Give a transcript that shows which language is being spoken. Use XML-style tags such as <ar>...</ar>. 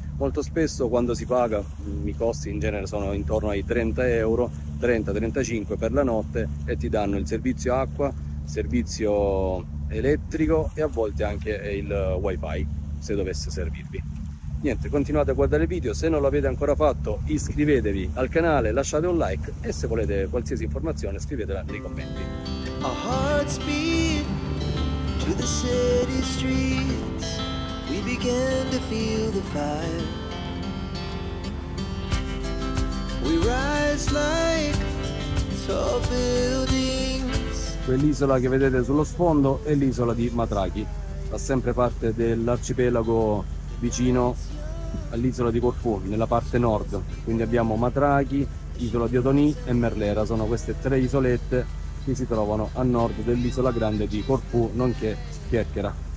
<it>Molto spesso quando si paga, i costi in genere sono intorno ai 30 euro, 30-35 per la notte, e ti danno il servizio acqua, servizio elettrico e a volte anche il wifi se dovesse servirvi. Niente, continuate a guardare il video, se non l'avete ancora fatto iscrivetevi al canale, lasciate un like e se volete qualsiasi informazione scrivetela nei commenti.</it> <en>Our hearts beat to the city streets, we began to feel the fire. We rise like tall buildings.</en> <it>Quell'isola che vedete sullo sfondo è l'isola di Matraki, fa sempre parte dell'arcipelago vicino all'isola di Corfù, nella parte nord, quindi abbiamo Matraki, isola di Otonì e Merlera, sono queste tre isolette che si trovano a nord dell'isola grande di Corfù, nonché Kerkera.</it>